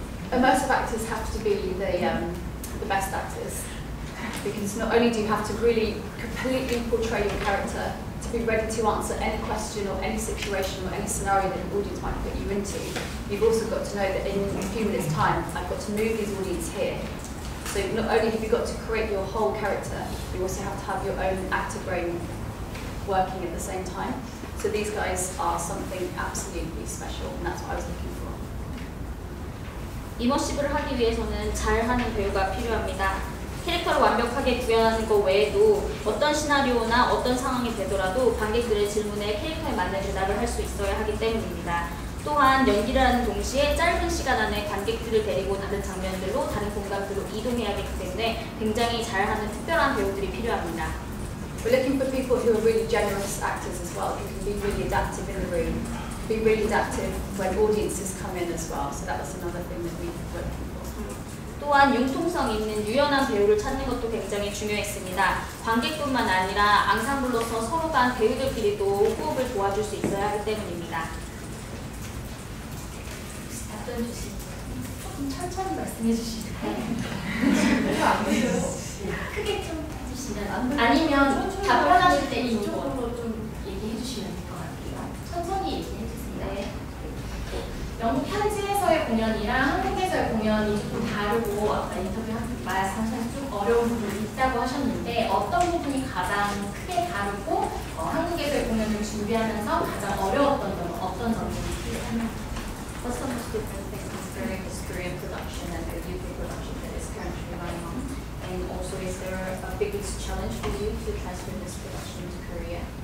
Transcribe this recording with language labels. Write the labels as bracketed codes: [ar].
[en] Immersive actors have to be the best actors because not only do you have to really completely portray your character to be ready to answer any question or any situation or any scenario that an audience might put you into, you've also got to know that in a few minutes' time, I've got to move this audience here. So not only have you got to create your whole character, you also have to have your own actor brain working at the same time. So these guys are something absolutely special, and that's what I was looking for. [ko] 이머시브를 하기 위해서는 잘하는 배우가 필요합니다. 캐릭터를 완벽하게 구현하는 것 외에도 어떤 시나리오나 어떤 상황이 되더라도 관객들의 질문에 캐릭터에 맞는 대답을 할 수 있어야 하기 때문입니다. 또한 연기를 하는 동시에 짧은 시간 안에 관객들을 데리고 다른 장면들로 다른 공간들로 이동해야 하기 때문에 굉장히 잘하는 특별한 배우들이 필요합니다. [en] We're looking for people who are really generous actors as well. Who can be really adaptive in the room. Be really adaptive when audiences come in as well. So that was another thing that we worked on. [ko] 또한 융통성 있는 유연한 배우를 찾는 것도 굉장히 중요했습니다. 관객뿐만 아니라 앙상블로서 서로 간 배우들끼리도 호흡을 도와줄 수 있어야 하기 때문입니다. 답변 주시죠. 조금 천천히 말씀해 주시죠. 크게 좀 해주시면 아니면 답변하실 때 이쪽으로 좀 얘기해 주시면 될 것 같아요. 천천히 얘기해. 영국 현지에서의 공연이랑 한국에서의 공연이 조금 다르고 아까 인터뷰 말씀하셨듯이 좀 어려운 부분이 있다고 하셨는데 어떤 부분이 가장 크게 다르고 한국에서의 공연을 준비하면서 가장 어려웠던 점은 어떤 점인지 설명해 주세요. [en] What's the most difficult thing considering this Korean production and the UK production that is currently running on? And also is there a biggest challenge for you to transfer this production to Korea?